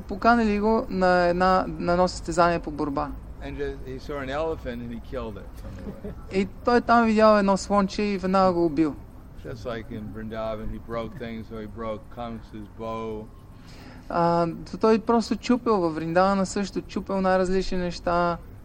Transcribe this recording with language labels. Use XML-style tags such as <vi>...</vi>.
<bg>Поканили го на едно състезание по борба.</bg> <en>And he saw an elephant and he killed it.</en> <bg>И той там видял едно слонче и веднага го убил.</bg> <en>Just like in Vrindavan, he broke things, so he broke Kamsa's bow.</en> <bg>Той просто чупил във Вриндавана също, чупил най-различни неща.</bg>